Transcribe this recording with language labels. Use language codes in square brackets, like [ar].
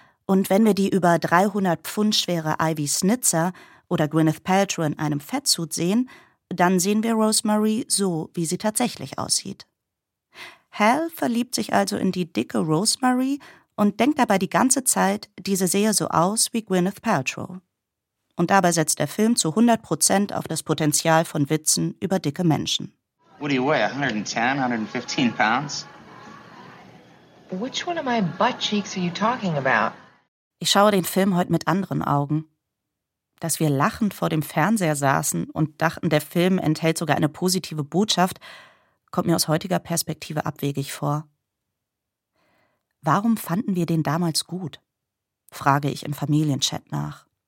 [de] Und wenn wir die über 300 Pfund schwere Ivy Snitzer oder Gwyneth Paltrow in einem Fettsuit sehen, dann sehen wir Rosemary so, wie sie tatsächlich aussieht. Hal verliebt sich also in die dicke Rosemary und denkt dabei die ganze Zeit, diese sehe so aus wie Gwyneth Paltrow. Und dabei setzt der Film zu 100% auf das Potenzial von Witzen über dicke Menschen. [en] What do you weigh, 110, 115 pounds? Which one of my butt cheeks are you talking about? [de] Ich schaue den Film heute mit anderen Augen. Dass wir lachend vor dem Fernseher saßen und dachten, der Film enthält sogar eine positive Botschaft, kommt mir aus heutiger Perspektive abwegig vor. Warum fanden wir den damals gut? Frage ich im Familienchat nach.